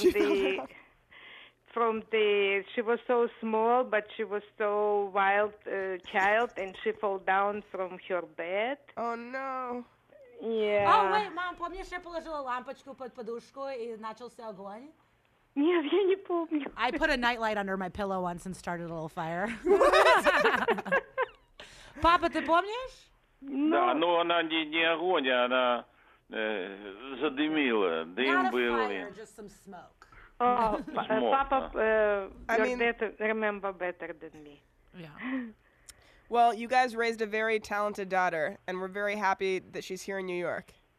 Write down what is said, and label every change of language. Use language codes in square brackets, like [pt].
[en] She fell down once from the she was so small, but she was so wild child, and she fell down from her bed. Oh no. Yeah. Oh wait, mom, [ru] помнишь, я положила лампочку под подушку и начался огонь? Нет, я не помню. [en] I put a nightlight under my pillow once and started a little fire. [ru] Папа, ты помнишь? Да, но она не огонь, а она задымила. Дым был. [en] Not a fire, just some smoke. Oh, Papa, your dad remember better than me. Yeah. Well, you guys raised a very talented daughter, and we're very happy that she's here in New York.